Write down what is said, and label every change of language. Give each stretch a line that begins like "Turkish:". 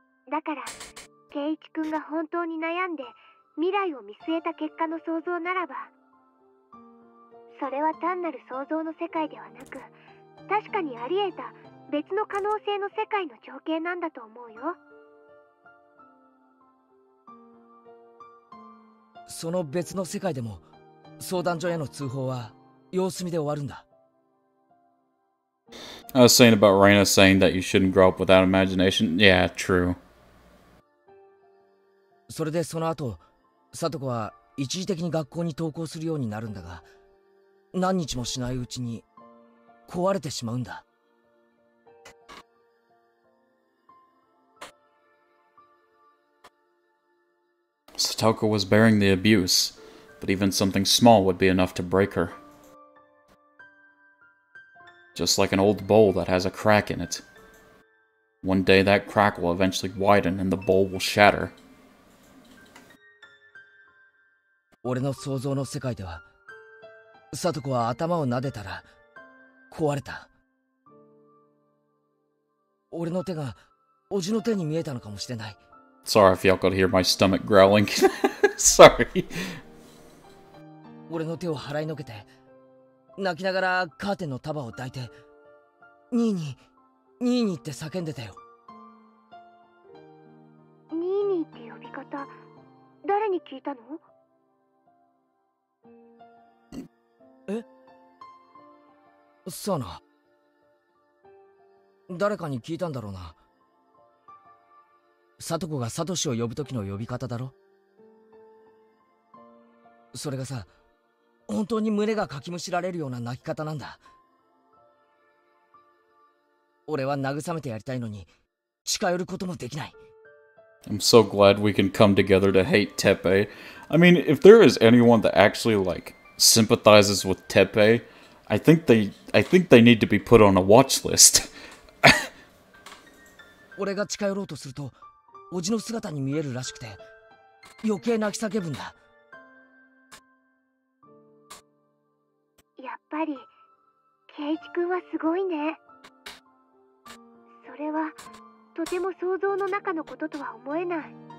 Japanese: だから、圭一君が本当に悩んで未来を見据えた結果の想像ならば、それは単なる想像の世界ではなく、確かにあり得た別の可能性の世界の情景なんだと思うよ。その別の世界でも相談所への通報は様子見で終わるんだ。
English: I was saying about Reina saying that you shouldn't grow up without imagination. Yeah, true.
Japanese: それでその後、サトコは一時的に学校に登校するようになるんだが、何日もしないうちに壊れてしまうんだ。
English: Satoko was bearing the abuse, but even something small would be enough to break her. Just like an old bowl that has a crack in it. One day that crack will eventually widen and the bowl will shatter.
Japanese: 俺の想像の世界では、Satoko は頭を撫でたら壊れた。俺の手が叔父の手に見えたのかもしれない。
English: Sorry if y'all could hear my stomach growling. Sorry.
Japanese: 俺の手を払いのけて、泣きながらカーテンの束を抱いて、ニーニー、ニーニーって叫んでたよ。ニーニーって呼び方、誰に聞いたの？え？サナ。誰かに聞いたんだろうな。サトコがサトシを呼ぶときの呼び方だろ。それがさ、本当に胸がかきむしられるような泣き方なんだ。俺は慰めてやりたいのに近寄ることもできない。
English: I'm so glad we can come together to hate Tepe. I mean, if there is anyone that actually like sympathizes with Tepe, I think they need to be put on a watch list.
Japanese: 俺が近寄ろうとするとおじの姿に見えるらしくて、余計泣き叫ぶんだ。やっぱり圭一君はすごいね。それはとても想像の中のこととは思えない。